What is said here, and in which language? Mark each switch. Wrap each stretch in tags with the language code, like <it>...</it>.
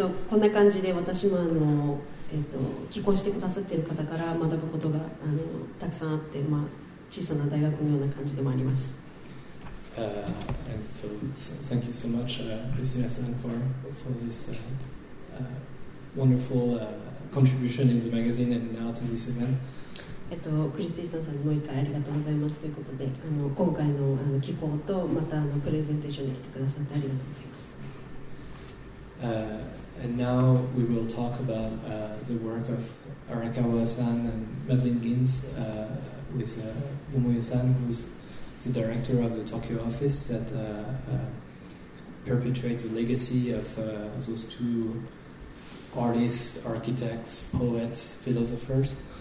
<ja>こんな感じで私も寄稿してくださっている方から学ぶことがたくさんあって、まあ、小さな大学のような感じでもあります。</ja> <en>Thank you so much, Christina-san, for this wonderful contribution in the magazine and now to this event.</en> <ja>クリスティーさんさんにもう一回ありがとうございますということで、今回の寄稿とまたプレゼンテーションに来てくださってありがとうございます。</ja> <en>And now we will talk about the work of Arakawa-san and Madeline Gins with Momoyo-san, who's the director of the Tokyo office that perpetuates the legacy of those two artists, architects, poets, philosophers.</en>